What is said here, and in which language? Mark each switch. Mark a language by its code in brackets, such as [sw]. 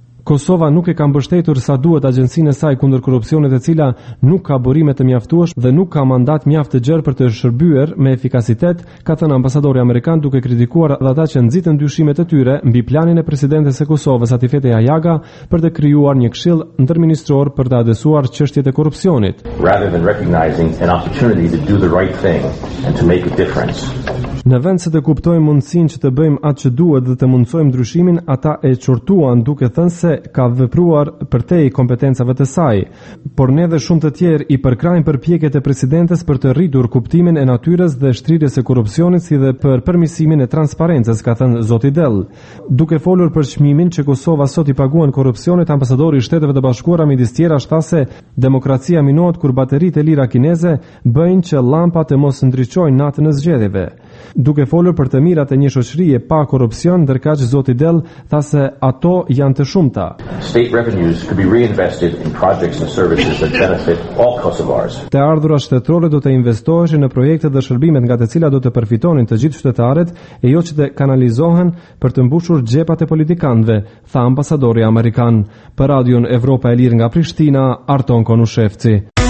[sq] Kosova nuk e ka mbështetur sa duhet agjencinë e saj kundër korrupsionit, e cila nuk ka burime të mjaftueshme dhe nuk ka mandat mjaft të gjerë për të shërbyer me efikasitet, ka thënë ambasadori amerikan, duke kritikuar dhe ata që nxitën dyshimet e tyre mbi planin e presidentes së Kosovës Atifete Ajaga për të krijuar një këshill ndërministror për të adresuar çështjet e korrupsionit. [en] Rather than recognizing an opportunity to do the right thing and to make a difference. [sq] Në vend se të kuptojmë mundësinë që të bëjmë atë që duhet dhe të mundsojmë ndryshimin, ata e çortuan duke thënë se ka vepruar përtej kompetencave të saj, por ne dhe shumë të tjerë i përkrajmë përpjekjet e presidentes për të rritur kuptimin e natyrës dhe shtrirjes së korrupsionit, si dhe për përmirësimin e transparencës, ka thënë zoti Dell. Duke folur për çmimin që Kosova sot i paguan korrupsionit, ambasadori i Shteteve të Bashkuara midis tjera tha se demokracia minohet kur bateritë e lira kineze bëjnë që llampat të mos ndriçojnë natën e zgjedhjeve. Duke folur për të mirat e një shoqërie pa korrupsion, ndërkaq zoti Dell tha se ato janë të shumta. [en] State revenues could be reinvested in projects and services that benefit all Kosovars. [sq] Të ardhurat shtetërore do të investoheshin në projekte dhe shërbimet nga të cilat do të përfitonin të gjithë qytetarët, e jo që të kanalizohen për të mbushur xhepat e politikanëve, tha ambasadori amerikan. Për Radion Evropa e Lirë nga Prishtina, Arton Konushevci.